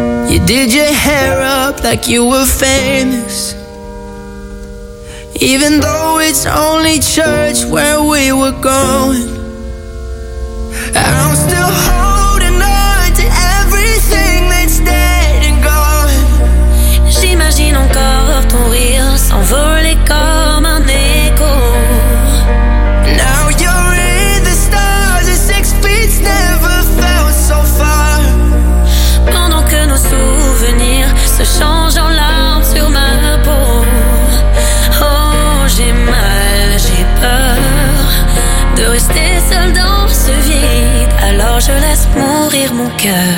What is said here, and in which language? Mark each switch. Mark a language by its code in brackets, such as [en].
[en] You did your hair up like you were famous, even though it's only church where we were going. I'm still holding on to everything that's dead and gone. [fr] J'imagine encore ton rire s'envoler comme un écho. [en] Now you're in the stars and 6 feet's never felt so far. [fr] Pendant que nos souvenirs se changent en larmes sur ma peau. Oh, j'ai mal, j'ai peur de rester seul dans. Alors je laisse mourir mon cœur.